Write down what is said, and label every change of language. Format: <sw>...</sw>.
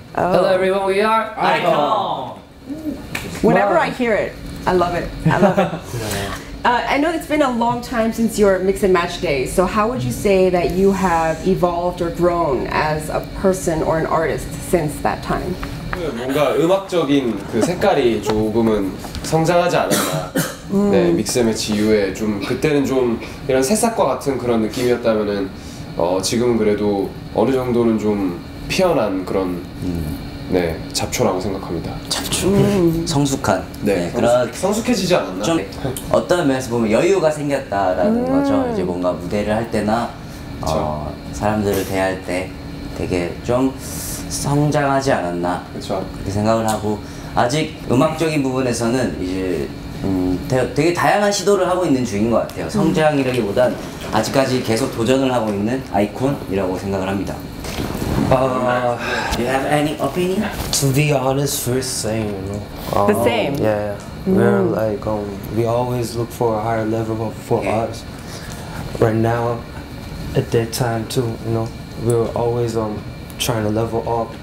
<en>Oh. Hello everyone, we are iKON. Whenever I hear it, I love it. I love it. I know it's been a long time since your mix and match days, so how would you say that you have evolved or grown as a person or an artist since that time?</en> <ko>뭔가 음악적인 그 색깔이 조금은 성장하지 않았나. 네, 믹스 매치 이후에 좀 그때는 좀 이런 새싹과 같은 그런 느낌이었다면은 지금은 그래도 어느 정도는 좀 피어난 그런 네, 잡초라고 생각합니다. 잡초. 성숙한. 네. 네 성숙해지지 않았나? 좀 어떤 면에서 보면 여유가 생겼다라는 거죠. 이제 뭔가 무대를 할 때나 사람들을 대할 때 되게 좀 성장하지 않았나? 그쵸. 그렇게 생각을 하고 아직 음악적인 부분에서는 이제 되게 다양한 시도를 하고 있는 중인 것 같아요. 성장이라기보단 아직까지 계속 도전을 하고 있는 아이콘이라고 생각을 합니다.</ko> <en>Do you have any opinion? To be honest, we're the same, you know. The same? Yeah. We're like, we always look for a higher level for us. Right now, at that time too, you know, we're always trying to level up.</en>